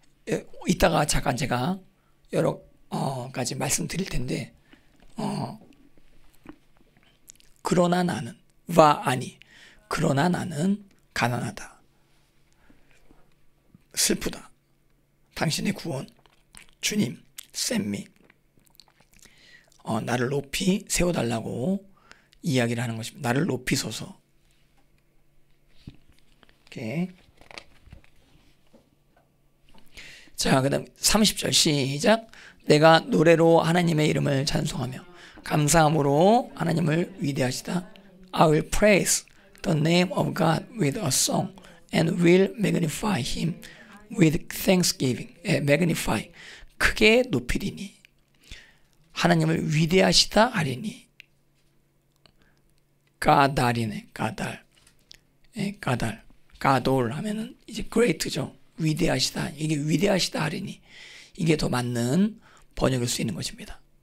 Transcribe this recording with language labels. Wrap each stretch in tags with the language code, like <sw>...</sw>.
<ko>예, 이따가 잠깐 제가 여러 가지 말씀드릴 텐데 그러나 나는 와 아니 그러나 나는 가난하다 슬프다 당신의 구원 주님 샘미 나를 높이 세워달라고 이야기를 하는 것입니다. 나를 높이 서서 자 그 다음 30절 시작. 내가 노래로 하나님의 이름을 찬송하며 감사함으로 하나님을 위대하시다.</ko> <en>I will praise the name of God with a song and will magnify him with thanksgiving.</en> <ko>Magnify 크게 높이리니 하나님을 위대하시다 하리니 가달이네 가달 예, 가달 가돌 하면은 이제 great죠. 위대하시다 이게 위대하시다 하리니 이게 더 맞는 번역일 수 있는 것입니다.</ko>